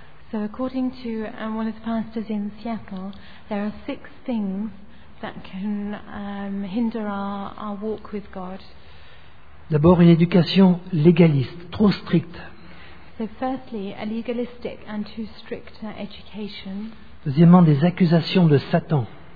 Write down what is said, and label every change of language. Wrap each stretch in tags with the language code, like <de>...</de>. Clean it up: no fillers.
<en>So according to one of the pastors in Seattle, there are six things that can hinder our walk with God.</en> <fr>D'abord, une éducation légaliste, trop stricte.</fr> <en>So firstly, a legalistic and too strict education.</en> <fr>Deuxièmement, des accusations de Satan.</fr>